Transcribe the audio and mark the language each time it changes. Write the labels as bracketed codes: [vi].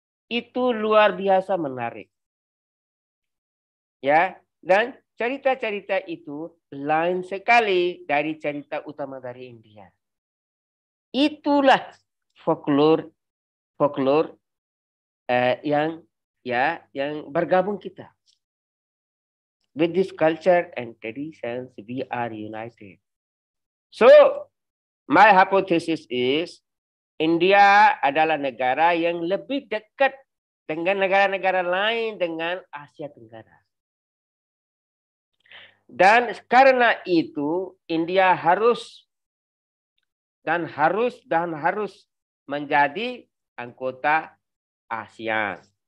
[id] Itu luar biasa menarik. Ya, dan cerita-cerita itu lain sekali dari cerita utama dari India. Itulah folklore yang ya yang bergabung kita. [en] With this culture and traditions, we are united. So, my hypothesis is, [id] India adalah negara yang lebih dekat dengan negara-negara lain dengan Asia Tenggara. Dan karena itu, India harus menjadi anggota ASEAN.